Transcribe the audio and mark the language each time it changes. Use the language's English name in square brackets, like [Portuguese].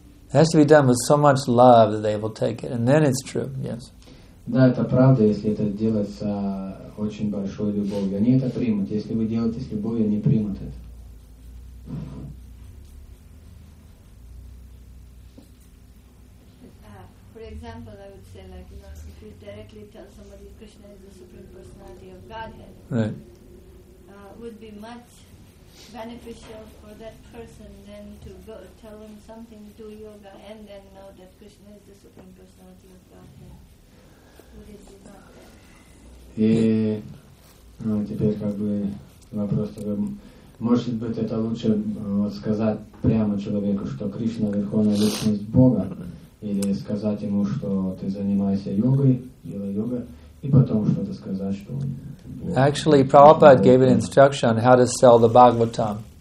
[English] It has to be done with so much love that they will take it, and then it's true. Yes. [Russian] Да, это правда, если это делается очень большой любовью. Они это примут. Если вы делаете с любовью, они примут это. [English] For example, I would say, like, you know, if you directly tell somebody Krishna is the supreme personality of Godhead, right, would be much beneficial for that person than to go tell them something, do yoga, and then know that Krishna is the supreme personality of Godhead. [Russian] И, ну, теперь как бы вопрос такой, может быть, это лучше вот сказать прямо человеку, что Кришна верховная личность Бога, или сказать ему, что ты занимаешься йогой, делай йога, и потом что-то сказать, что он Бог. [English] Actually, Prabhupada gave an instruction how to sell the Bhagavatam.